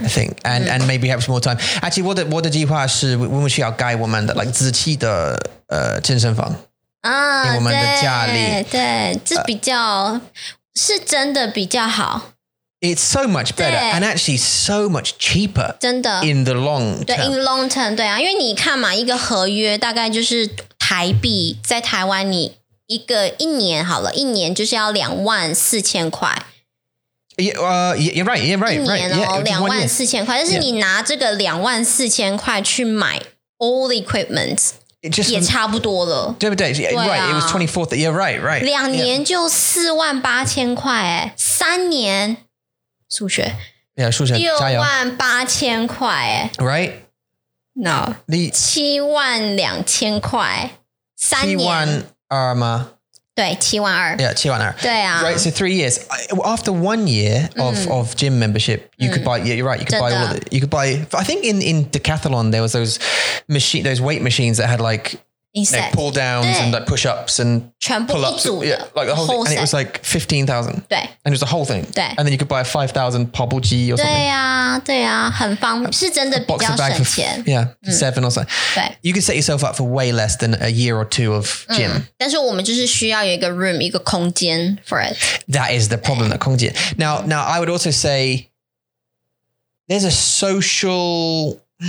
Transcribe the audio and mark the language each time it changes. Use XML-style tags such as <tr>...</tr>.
<en>I think. And maybe have some more time. Actually,</en> <zh>我的计划是我们需要盖我们的</zh> <en>like</en> <zh>自己的健身房。我们的家里。对。这比较是真的比较好。</zh> <en>It's so much better and actually so much cheaper</en> <zh>真的</zh> <en>in the long term. In long term,</en> <zh>对啊。因为你看嘛，一个合约大概就是台币，在台湾你一个一年好了，一年就是要24000块。</zh> <en>You're right.</en> <zh>一年哦，24000块。但是你拿这个24000块去买</zh> <en>all the equipment, Just,</en> <zh>也差不多了，对不对？</zh> <en>Right, it was 24th. Yeah, right.</en> <zh>两年就48000块，三年。数学，对啊，数学， 68000块，</zh> <en>right? No,</en> <zh>你 72000块，三年 72000吗？对，72000。</zh> <en>Yeah, 72000。</en> <zh>对啊</zh> <en>，right? So 3 years after 1 year of gym membership, you could buy. Yeah, you're right. You could buy all of it. You could buy. I think in Decathlon there was those weight machines that had like. You know, pull downs and like push ups and pull ups. Yeah, like the whole thing. And it was like 15,000. And it was the whole thing. And then you could buy a 5,000 pobble G or something.</en> <zh>对啊对啊很方便是真的比较省钱</zh> <en>7 or something. You could set yourself up for way less than a year or two of gym.</en> <zh>但是我们就是需要有一个 room, 一个空间</zh> <en>for it. That is the problem,</en> <zh>的空间</zh> <en>Now, I would also say there's a social...</en>